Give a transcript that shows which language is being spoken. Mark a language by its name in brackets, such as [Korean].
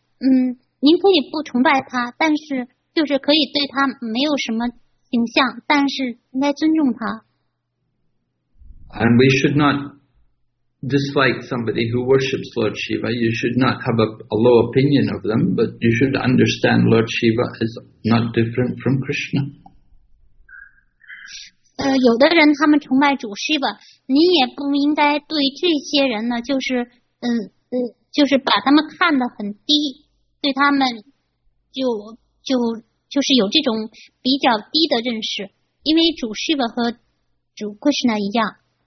[Chinese] 您可以不崇拜他，但是就是可以对他没有什么形象，但是应该尊重他。 [English] And we should not dislike somebody who worships Lord Shiva. You should not have a low opinion of them, but you should understand Lord Shiva is not different from Krishna. [Chinese] 有的人他们崇拜主 Shiva， 您也不应该对这些人呢，就是就是把他们看得很低。对他们就是有这种比较低的认识，因为主 Shiva 和主 Krishna 一样。